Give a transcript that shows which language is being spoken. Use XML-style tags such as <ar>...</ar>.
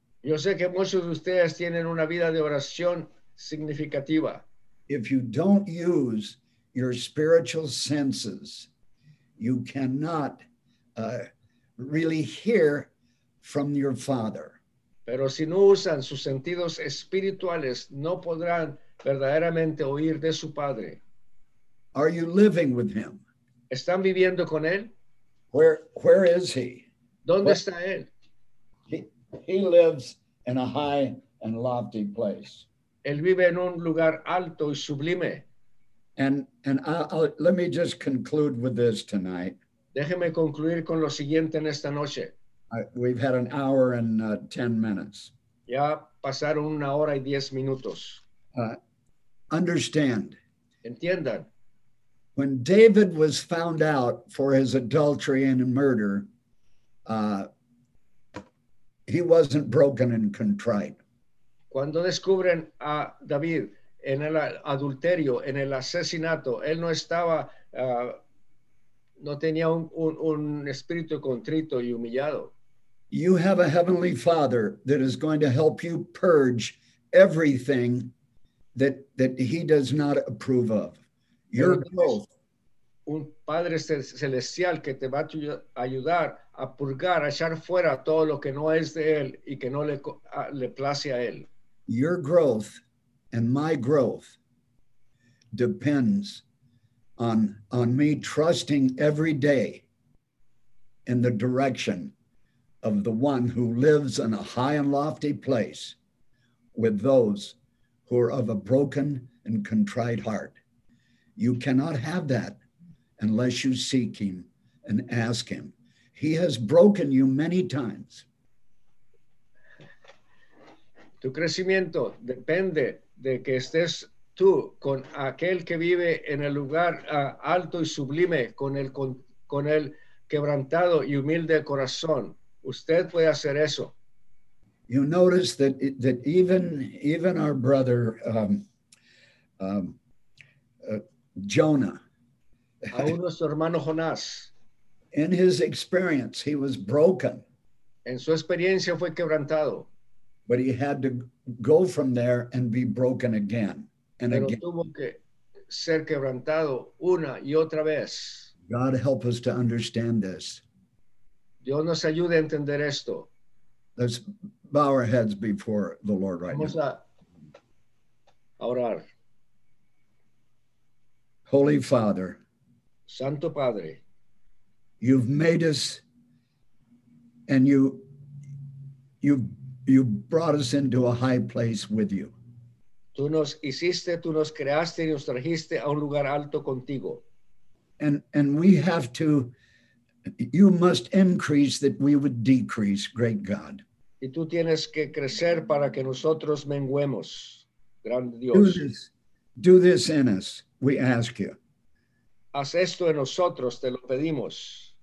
<es>Yo sé que muchos de ustedes tienen una vida de oración significativa.</es> <en>if you don't use your spiritual senses, you cannot really hear from your Father.</en> <es>Pero si no usan sus sentidos espirituales, no podrán verdaderamente oír de su Padre.</es> <en>Are you living with him?</en> <es>¿Están viviendo con él?</es> <en>Where is he?</en> <es>¿Dónde está él?</es> <en>He lives in a high and lofty place.</en> <es>Él vive en un lugar alto y sublime.</es> <en>And I'll, let me just conclude with this tonight.</en> <es>Déjeme concluir con lo siguiente en esta noche.</es> <en>We've had an hour and 10 minutes.</en> <es>Ya pasaron una hora y 10 minutos.</es> <en>Understand.</en> <es>Entiendan.</es> <en>When David was found out for his adultery and murder, he wasn't broken and contrite.</en> <es>Cuando descubren a David en el adulterio, en el asesinato, él no estaba, no tenía un espíritu contrito y humillado.</es> <en>You have a heavenly Father that is going to help you purge everything that he does not approve of. Your growth.</en> <es>Un Padre celestial que te va a ayudar a purgar, a echar fuera todo lo que no es de él y que no le place a él.</es> <en>Your growth and my growth depends on me trusting every day in the direction of the one who lives in a high and lofty place with those who are of a broken and contrite heart. You cannot have that unless you seek him and ask him. He has broken you many times.</en> <es>Tu crecimiento depende de que estés tú con aquel que vive en el lugar alto y sublime, con el quebrantado y humilde corazón. Usted puede hacer eso.</es> <en>You notice that even our brother Jonah.</en> <es>Aún nuestro hermano Jonás.</es> <en>In his experience, he was broken.</en> <es>En su experiencia fue quebrantado.</es> <en>But he had to go from there and be broken again and again.</en> <es>Pero tuvo que ser quebrantado una y otra vez.</es> <en>God help us to understand this.</en> <es>Dios nos ayude a entender esto.</es> <en>Let's bow our heads before the Lord right now.</en> <es>Vamos a orar.</es> <en>Holy Father.</en> <es>Santo Padre.</es> <en>You've made us and you brought us into a high place with you.</en> <es>Tú nos hiciste, tú nos creaste y nos trajiste a un lugar alto contigo.</es> <en>And we have to, you must increase that we would decrease, great God.</en> <es>Y tú tienes que crecer para que nosotros menguemos, gran Dios.</es> <en>Do this in us, we ask you.</en> <es>Haz esto en nosotros, te lo pedimos.</es>